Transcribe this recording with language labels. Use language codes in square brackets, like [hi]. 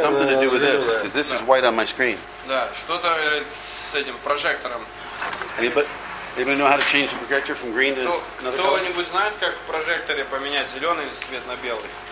[en] something to do with this, because this is white on my screen. [ru] Да, что-то с этим прожектором. [en] Anybody know how to change the projector from green to another color? [ru] Кто-нибудь знает, как в прожекторе поменять зеленый свет на белый?